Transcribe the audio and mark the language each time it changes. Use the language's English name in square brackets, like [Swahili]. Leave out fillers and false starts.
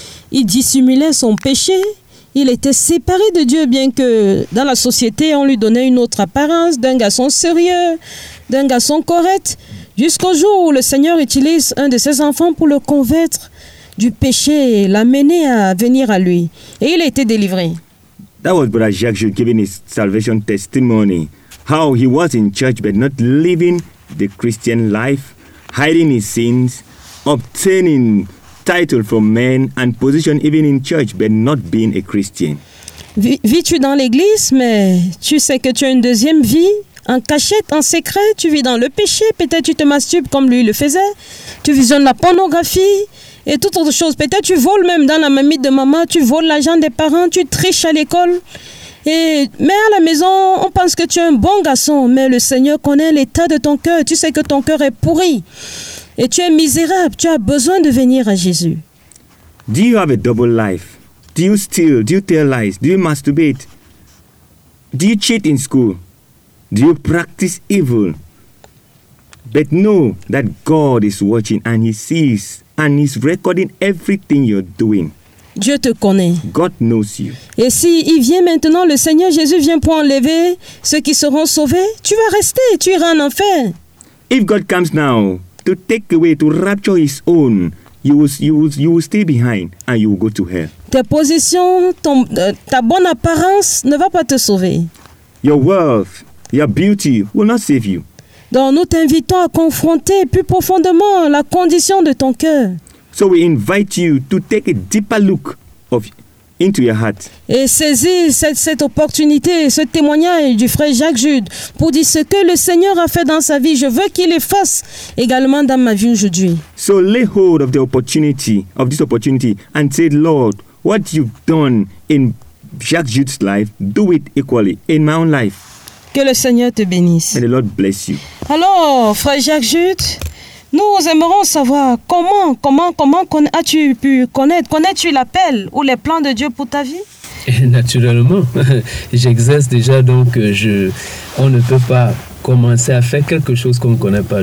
[French] Il dissimulait son péché. Il était séparé de Dieu, bien que dans la société, on lui donnait une autre apparence d'un garçon sérieux, d'un garçon correct, jusqu'au jour où le Seigneur utilise un de ses enfants pour le convaincre du péché et l'amener à venir à lui. Et il a été délivré. [English] That was Brother Jacques Jude giving his salvation testimony. How he was in church but not living the Christian life, hiding his sins, obtaining title from men and position even in church, but not being a Christian. [French] Vis-tu dans l'église, mais tu sais que tu as une deuxième vie, en cachette, en secret, tu vis dans le péché, peut-être tu te masturbes comme lui le faisait, tu visionnes la pornographie et toute autre chose. Peut-être tu voles même dans la mamie de maman, tu voles l'argent des parents, tu triches à l'école. Mais à la maison, on pense que tu es un bon garçon, mais le Seigneur connaît l'état de ton cœur. Tu sais que ton cœur est pourri et tu es misérable. Tu as besoin de venir à Jésus. [English] Do you have a double life? Do you steal? Do you tell lies? Do you masturbate? Do you cheat in school? Do you practice evil? But know that God is watching and he sees and he's recording everything you're doing. [French] Dieu te connaît. [English] God knows you. [French] Et si il vient maintenant, le Seigneur Jésus vient pour enlever ceux qui seront sauvés, tu vas rester, tu iras en enfer. [English] If God comes now to take away, to rapture his own, you will stay behind and you will go to hell. [French] Ta position, ta bonne apparence ne va pas te sauver. [English] Your wealth, your beauty will not save you. [French] Donc nous t'invitons à confronter plus profondément la condition de ton cœur. [English] So we invite you to take a deeper look into your heart. [French] Et saisis cette opportunité, ce témoignage du frère Jacques Jude pour dire ce que le Seigneur a fait dans sa vie. Je veux qu'il le fasse également dans ma vie aujourd'hui. [English] So lay hold of the opportunity, of this opportunity, and say, Lord, what you've done in Jacques Jude's life, do it equally in my own life. [French] Que le Seigneur te bénisse. [English] And the Lord bless you. [French] Alors, frère Jacques Jude, nous aimerons savoir comment as-tu pu connaître, connais-tu l'appel ou les plans de Dieu pour ta vie? Naturellement, j'exerce déjà, donc on ne peut pas commencer à faire quelque chose qu'on ne connaît pas.